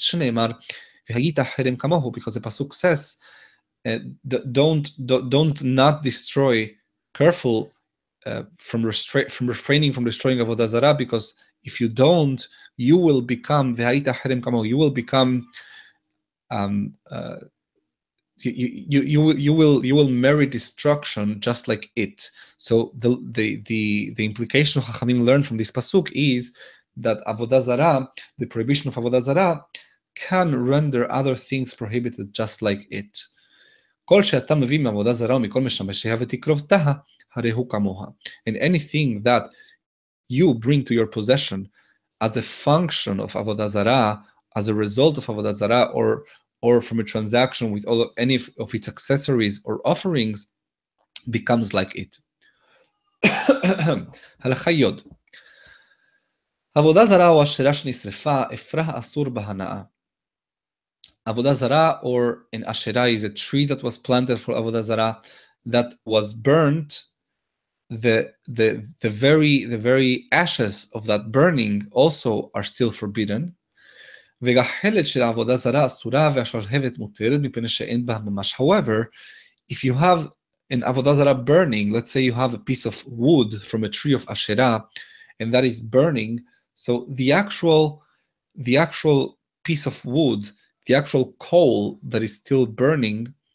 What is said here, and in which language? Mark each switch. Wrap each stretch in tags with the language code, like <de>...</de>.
<he>שנאמר, והיית חרם כמוהו,</he> <en>because the pasuk says, don't not destroy, careful from refraining from destroying avodah zarah, because if you don't, you will become</en> <he>vehayita cherem kamo,</he> <en>you will become you will marry destruction just like it. So the implication of Chachamim learned from this pasuk is that avodah zarah, the prohibition of avodah zarah, can render other things prohibited just like it.</en> <he>כל שאתה מביא מעבודה זרה ומכל משמשיה ותקרובתה, הרי הוא כמוה.</he> <en>And anything that you bring to your possession as a function of עבודה זרה, as a result of עבודה זרה, or from a transaction with all of, any of its accessories or offerings, becomes like it.</en> <he>הלכה יוד. עבודה זרה או אשרה שנשרפה, אפרה אסור בהנאה.</he> <en>Avodah Zarah, or an Asherah, is a tree that was planted for Avodah Zarah that was burnt. The very ashes of that burning also are still forbidden.</en> <he>וגחלת של עבודה זרה אסורה והשלהבת מותרת מפני שאין בה ממש.</he> <en>However, if you have an Avodah Zarah burning, let's say you have a piece of wood from a tree of Asherah, and that is burning, so the actual piece of wood, the actual coal that is still burning,</en>